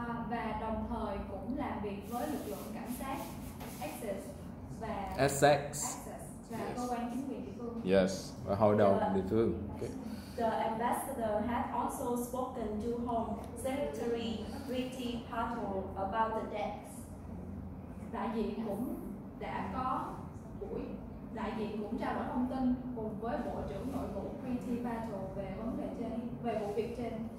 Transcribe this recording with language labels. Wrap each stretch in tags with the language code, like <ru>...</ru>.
<vi>Và đồng thời cũng làm việc với lực lượng cảnh sát Essex và Essex. Cơ quan chính quyền địa phương.</vi> <en>Yes,</en> <vi>và hội đồng địa phương.</vi> <en>Okay. The ambassador had also spoken to Home Secretary Rita Pato about the deaths.</en> <vi>Đại diện cũng đã có buổi đại diện cũng trao đổi thông tin cùng với Bộ trưởng Nội vụ Preeti Patel về vấn đề trên, về vụ việc trên.</vi>